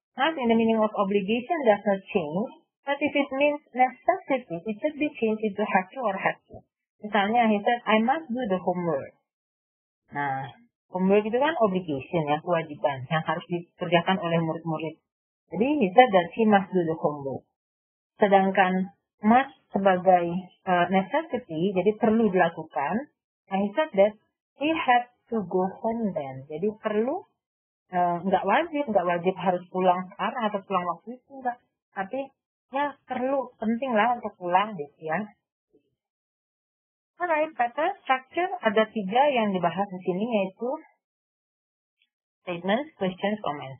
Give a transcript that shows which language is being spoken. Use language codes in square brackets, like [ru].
[en] Must in the meaning of obligation does not change, but if it means necessity, it should be changed into have to or have to. [id] Misalnya, [en] he said, I must do the homework. [id] Nah, homework itu kan obligation ya, kewajiban yang harus dikerjakan oleh murid-murid. Jadi, [en] he said that he must do the homework. [id] Sedangkan, must sebagai necessity, jadi perlu dilakukan. [en] And he said that he had to go home then. [id] Jadi perlu, nggak wajib harus pulang sekarang atau pulang waktu itu, nggak. Tapi ya perlu, penting lah untuk pulang gitu ya. Alright, kata structure ada tiga yang dibahas di sini, yaitu statements, questions, comments.